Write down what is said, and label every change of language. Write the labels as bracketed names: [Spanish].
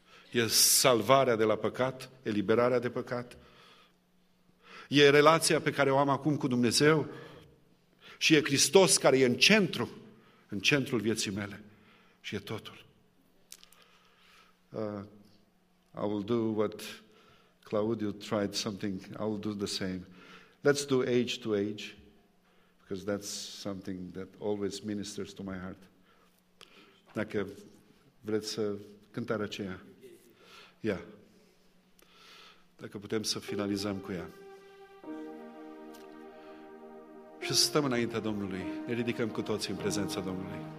[Romanian] E salvarea de la păcat, eliberarea de păcat. E relația pe care o am acum cu Dumnezeu. Și e Hristos care e în centru, în centrul vieții mele. Și e totul. [English] I will do what Claudiu tried something, I'll do the same. Let's do age to age, because that's something that always ministers to my heart. [Romanian] Dacă vreți să cântare aceea. Yeah. Dacă putem să finalizăm cu ea. Și să stăm înaintea Domnului, ne ridicăm cu toții în prezența Domnului.